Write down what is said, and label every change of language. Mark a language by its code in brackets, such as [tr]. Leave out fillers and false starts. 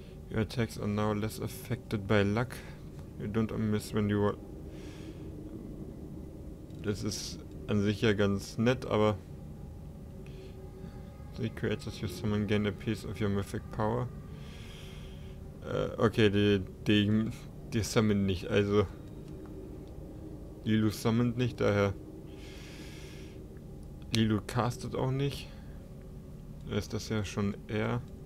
[en] Your attacks are now less affected by luck. You don't miss when you... [de] Das ist an sich ja ganz nett, aber... [en] The creators you summon gain a piece of your mythic power. [de] Okay, die summon nicht, also... Lilu summoned nicht, daher... Lilu castet auch nicht. Da ist das ja schon eher...